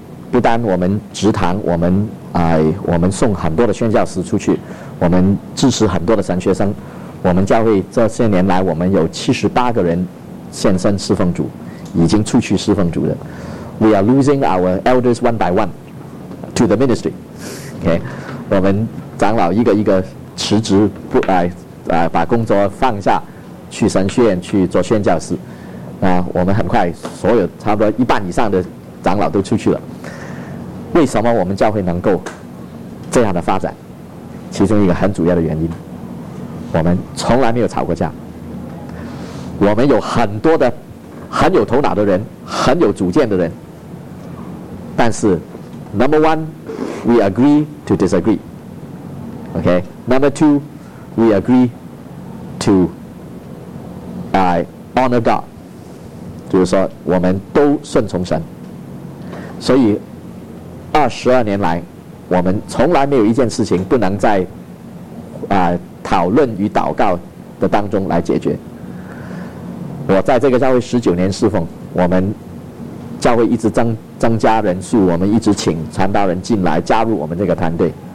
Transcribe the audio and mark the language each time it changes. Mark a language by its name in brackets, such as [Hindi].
[Chinese] 不单我们职堂，我们送很多的宣教师出去，我们支持很多的神学生。我们教会这些年来，我们有78个人献身侍奉主，已经出去侍奉主的。 [English] We are losing our elders one by one to the ministry. [Chinese] Okay， 我们长老一个辞职，把工作放下，去神学院去做宣教师。我们很快所有差不多一半以上的长老都出去了。为什么我们教会能够这样的发展？其中一个很主要的原因，我们从来没有吵过架。我们有很多的很有头脑的人，很有主见的人，但是 [English] number one we agree to disagree. Okay, number two, we agree to honor God. [Chinese] 就是说我们都顺从神。所以22年来我们从来没有一件事情不能在讨论与祷告的当中来解决。我在这个教会19年侍奉，我们教会一直增加人数，我们一直请传道人进来加入我们这个团队。